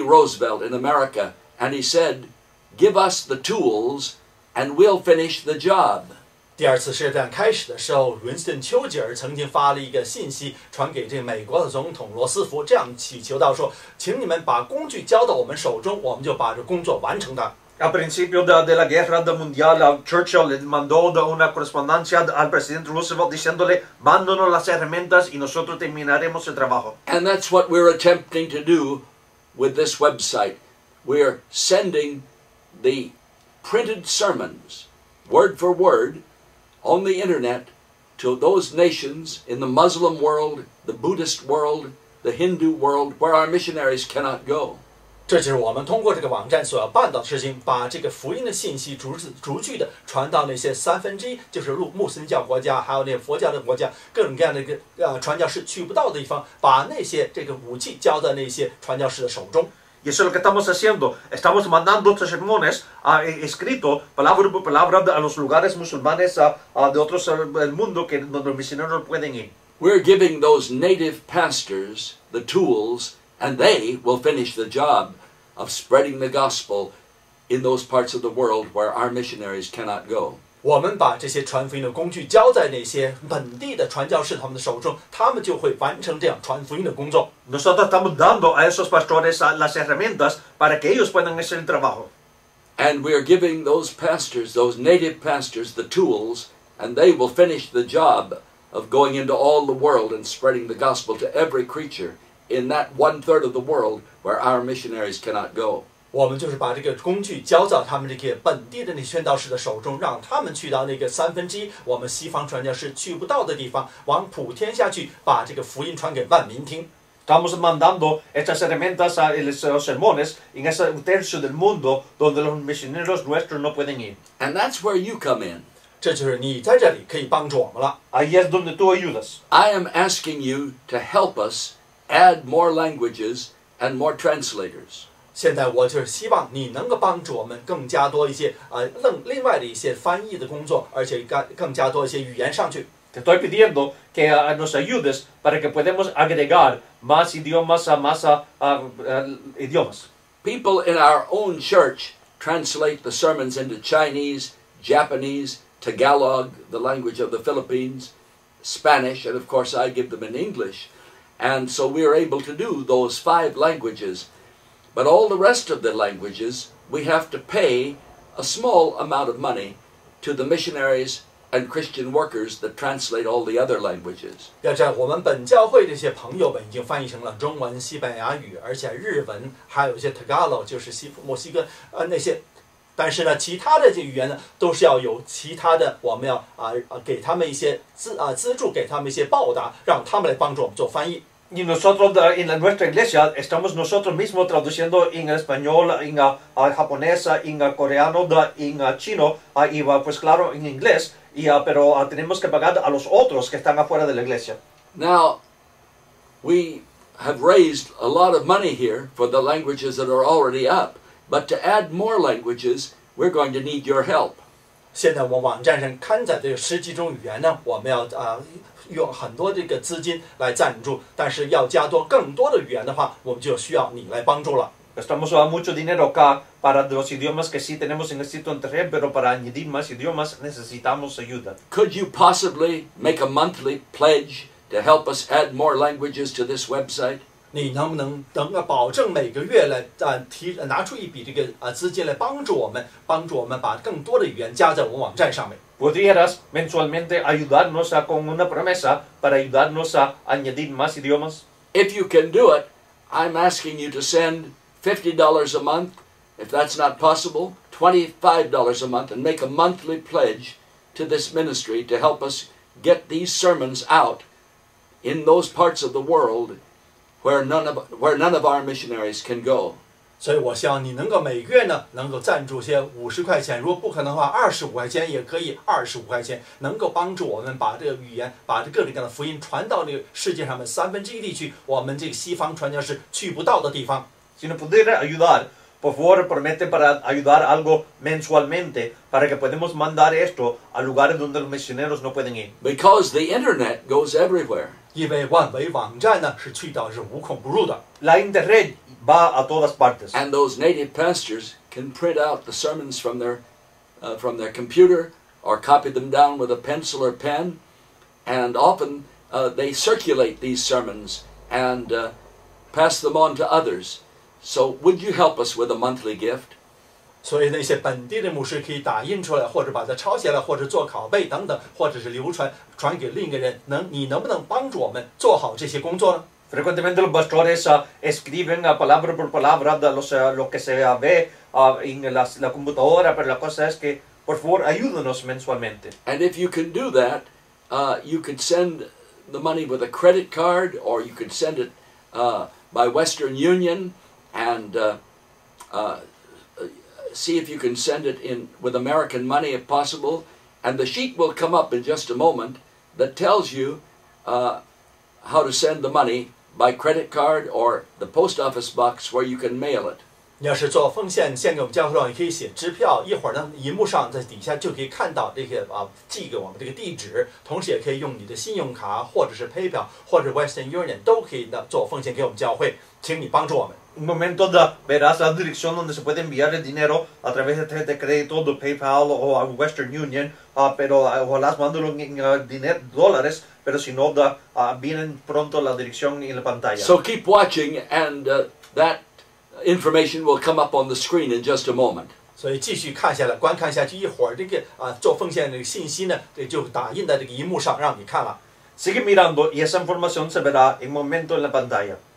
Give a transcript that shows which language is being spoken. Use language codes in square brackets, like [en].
[en] Roosevelt in America, and he said,Give us the tools, and we'll finish the job. [zh] 第二次世界大战开始的时候，温斯顿·丘吉尔曾经发了一个信息，传给这美国的总统罗斯福，这样祈求到说，请你们把工具交到我们手中，我们就把这工作完成的。 [es] A principio de la guerra mundial, Churchill le mandó una correspondencia al presidente Roosevelt diciéndole, mándanos las herramientas y nosotros terminaremos el trabajo. [en] And that's what we're attempting to do with this website. We're sending. The printed sermons, word for word, on the internet to those nations in the Muslim world, the Buddhist world, the Hindu world, where our missionaries cannot go. [zh] 这就是我们通过这个网站所要办到的事情，把这个福音的信息逐句的传到那些三分之一，就是穆斯林教国家，还有那佛教的国家，各种各样的传教士去不到的地方，把那些这个武器交在那些传教士的手中。 [es] Y eso es lo que estamos haciendo. Estamos mandando estos sermones escritos, palabra por palabra, a los lugares musulmanes de otros del mundo que donde los misioneros no pueden ir. [en] We're giving those native pastors the tools, and they will finish the job of spreading the gospel in those parts of the world where our missionaries cannot go. [zh] 我们把这些传福音的工具交在那些本地的传教士他们的手中，他们就会完成这样传福音的工作。 [es] Nosotros estamos dando a esos pastores las herramientas para que ellos puedan hacer el trabajo. [en] And we are giving those pastors, those native pastors, the tools, and they will finish the job of going into all the world and spreading the gospel to every creature in that one third of the world where our missionaries cannot go. [zh] 我们就是把这个工具交到他们这些本地的那宣道士的手中，让他们去到那个三分之一我们西方传教士去不到的地方，往普天下去把这个福音传给万民听。 [es] Estamos mandando estas herramientas a los sermones en ese tercio del mundo donde los misioneros nuestros no pueden ir. [en] And that's where you come in. [zh] 这就是你在这里可以帮助我们了。 [es] Ahí es donde tú ayudas. [en] I am asking you to help us add more languages and more translators. [zh] 现在我就是希望你能够帮助我们更加多一些另外的一些翻译的工作，而且更加多一些语言上去。 [es] Te estoy pidiendo que nos ayudes para que podamos agregar más idiomas a más idiomas. [en] People in our own church translate the sermons into Chinese, Japanese, Tagalog, the language of the Philippines, Spanish, and of course I give them in English. And so we are able to do those five languages. But all the rest of the languages, we have to pay a small amount of money to the missionaries and Christian workers that translate all the other languages. [zh] 要知道我们本教会这些朋友们已经翻译成了中文、西班牙语，而且日文，还有一些 Tagalog， 就是墨西哥那些。但是呢，其他的这语言呢，都是要有其他的，我们要给他们一些资助，给他们一些报答，让他们来帮助我们做翻译。 [es] Y nosotros en nuestra iglesia estamos nosotros mismos traduciendo en español, en japonés, en coreano, en chino, y pues claro, en inglés, pero tenemos que pagar a los otros que están afuera de la iglesia. [en] Now, we have raised a lot of money here for the languages that are already up, but to add more languages, we're going to need your help. [zh] 现在我网站上刊载的十几种语言呢，我们要用很多这个资金来赞助，但是要加多更多的语言的话，我们就需要你来帮助了。 [es] Estamos usando mucho dinero acá para los idiomas que sí tenemos en el sitio internet, pero para añadir más idiomas necesitamos ayuda. [en] Could you possibly make a monthly pledge to help us add more languages to this website? [zh] 你能不能等啊保证每个月来啊提拿出一笔这个啊资金来帮助我们，帮助我们把更多的语言加在我们网站上面。 [es] Podrías mensualmente ayudarnos con una promesa para ayudarnos a añadir más idiomas? [en] If you can do it, I'm asking you to send $50 a month. If that's not possible, $25 a month, and make a monthly pledge to this ministry to help us get these sermons out in those parts of the world where none of our missionaries can go. [zh] 所以我希望你能够每月呢能够赞助些50块钱，如果不可能的话25块钱也可以，25块钱能够帮助我们把这个语言把这各种各样的福音传到这个世界上面三分之一地区，我们这个西方传教士去不到的地方。 [es] Si no pudiera ayudar, por favor promete para ayudar algo mensualmente para que podamos mandar esto a lugares donde los misioneros no pueden ir. [en] Because the internet goes everywhere. [zh] 因为万维网站呢是去到是无孔不入的。 [es] La internet va a todas partes. [en] And those native pastors can print out the sermons from their computer or copy them down with a pencil or pen, and often they circulate these sermons and pass them on to others. So would you help us with a monthly gift? [zh] 所以那些本地的牧师可以打印出来，或者把它抄写了，或者做拷贝等等，或者是流传传给另一个人。能你能不能帮助我们做好这些工作呢？ [es] Frecuentemente los pastores escriben palabra por palabra de lo que se ve en la computadora, pero la cosa es que, por favor, ayúdenos mensualmente. [en] And if you can do that, you could send the money with a credit card, or you could send it by Western Union, and see if you can send it in with American money if possible. And the sheet will come up in just a moment that tells you how to send the money. By credit card or the post office box where you can mail it. [zh] 你要是做奉献献给我们教会的话，你可以写支票。一会儿呢，荧幕上在底下就可以看到这些啊，寄给我们这个地址。同时，也可以用你的信用卡或者是 PayPal 或者 Western Union 都可以呢做奉献给我们教会，请你帮助我们。 [es] Un momento de verás la dirección donde se puede enviar el dinero a través de crédito de PayPal o a Western Union, pero ojalá mándelo en dinero dólares. Pero si no, vienen pronto la dirección en la pantalla. [en] So keep watching, and that information will come up on the screen in just a moment. [zh] 所以继续看下来，观看下去，一会儿这个做奉献的信息呢，这就打印在这个荧幕上让你看了。 [es] Sigue mirando y esa información se verá en momento en la pantalla.